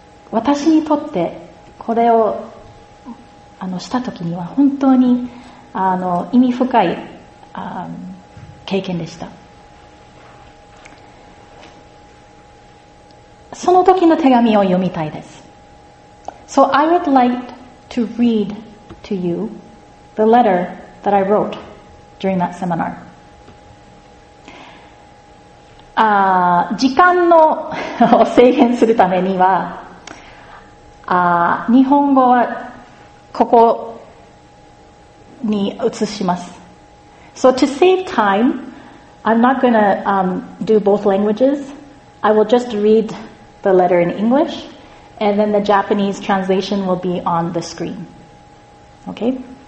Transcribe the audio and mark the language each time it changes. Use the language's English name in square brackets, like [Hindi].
[Japanese] 私にとって、これを、したときには本当に、意味深い、経験でした。その時の手紙を読みたいです。 [English] So I would like to read to you the letter that I wrote during that seminar. [Japanese] 時間の制限するためには、日本語はここに移します。 [English] So to save time, I'm not going to do both languages. I will just read the letter in English, and then the Japanese translation will be on the screen. Okay?